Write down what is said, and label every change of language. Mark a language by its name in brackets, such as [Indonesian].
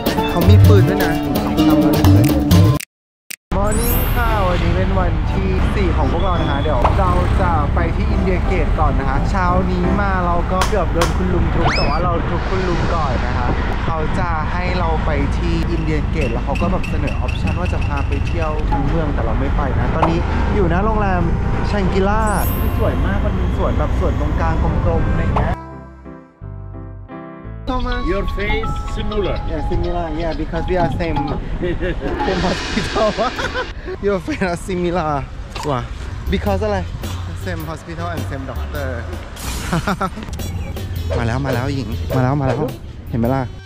[Thai] เขามีปืนด้วยนะของพวกเรานะฮะเดี๋ยวเราจะไปที่อินเดียเกตก่อนนะฮะเช้านี้มาเราก็เกือบโดนคุณลุงทุบแต่ว่าเราทุบคุณลุงก่อนนะฮะเขาจะให้เราไปที่อินเดียเกตแล้วเขาก็แบบเสนอออปชันว่าจะพาไปเที่ยวเมืองแต่เราไม่ไปนะตอนนี้อยู่ณโรงแรมชังกีล่าที่สวยมากมันมีสวนแบบสวนตรงกลางกลมๆอะไรเงี้ย [English] Your face similar. Yeah, similar. Yeah, because we are same hospital. Your face are similar. Why? Because what? Same hospital and same doctor. [Thai] มาแล้วมาแล้วหญิงมาแล้วมาแล้วเห็นไหมล่ะ